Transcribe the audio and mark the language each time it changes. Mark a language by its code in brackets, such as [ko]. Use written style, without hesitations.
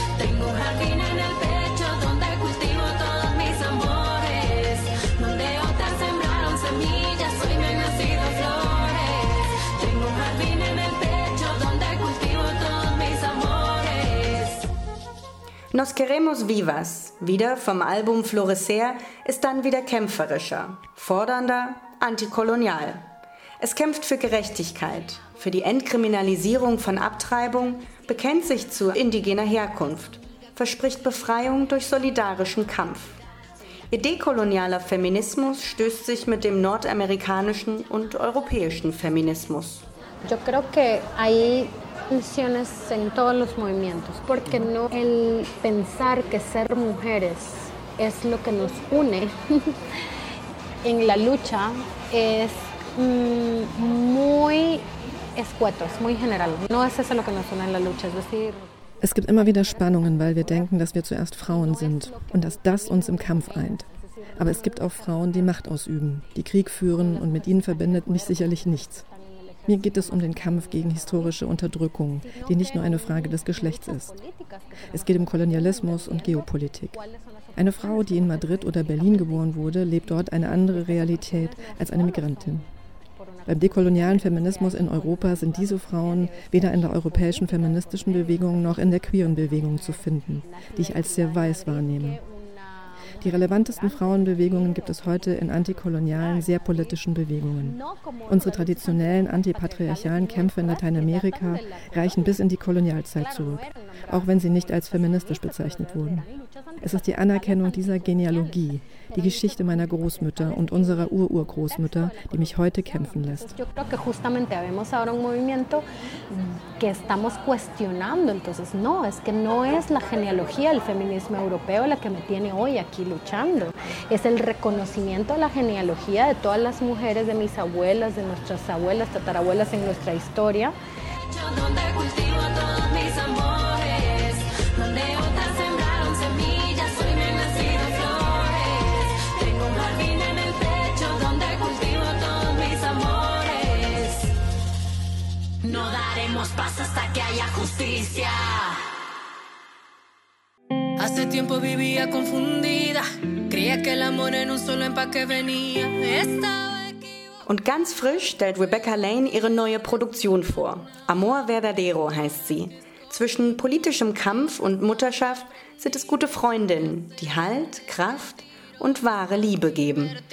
[es] Tengo un jardín en el pecho donde cultivo todos mis amores. Donde otras sembraron semillas, hoy me han nacido flores. Tengo un jardín en el pecho donde cultivo todos mis amores. Nos queremos vivas. [de] Wieder vom Album Florecer ist dann wieder kämpferischer, fordernder, antikolonial. Es kämpft für Gerechtigkeit, für die Entkriminalisierung von Abtreibung, bekennt sich zu indigener Herkunft, verspricht Befreiung durch solidarischen Kampf. Ihr dekolonialer Feminismus stößt sich mit dem nordamerikanischen und europäischen Feminismus. Yo creo que hay tensiones en todos los movimientos, porque no el pensar que ser mujeres es lo que nos une en la lucha es muy escueto, es muy general. No es eso lo que nos une en la lucha, es decir. Es gibt immer wieder Spannungen, weil wir denken, dass wir zuerst Frauen sind und dass das uns im Kampf eint. Aber es gibt auch Frauen, die Macht ausüben, die Krieg führen und mit ihnen verbindet mich sicherlich nichts. Mir geht es um den Kampf gegen historische Unterdrückung, die nicht nur eine Frage des Geschlechts ist. Es geht um Kolonialismus und Geopolitik. Eine Frau, die in Madrid oder Berlin geboren wurde, lebt dort eine andere Realität als eine Migrantin. Beim dekolonialen Feminismus in Europa sind diese Frauen weder in der europäischen feministischen Bewegung noch in der queeren Bewegung zu finden, die ich als sehr weiß wahrnehme. Die relevantesten Frauenbewegungen gibt es heute in antikolonialen, sehr politischen Bewegungen. Unsere traditionellen antipatriarchalen Kämpfe in Lateinamerika reichen bis in die Kolonialzeit zurück, auch wenn sie nicht als feministisch bezeichnet wurden. Es ist die Anerkennung dieser Genealogie, die Geschichte meiner Großmütter und unserer Ururgroßmütter, die mich heute kämpfen lässt. Ich glaube, dass wir jetzt ein Bewegung haben, die wir questionando. [es] Entonces, no, es que no es la genealogía del feminismo europeo la que me tiene hoy aquí luchando. Es el reconocimiento de la genealogía de todas las mujeres, de mis abuelas, de nuestras abuelas, tatarabuelas en nuestra historia. Hace tiempo vivía confundida, creía que el amor en un solo empaque venía. [de] Und ganz frisch stellt Rebecca Lane ihre neue Produktion vor. Amor Verdadero heißt sie. Zwischen politischem Kampf und Mutterschaft sind es gute Freundinnen, die Halt, Kraft und wahre Liebe geben.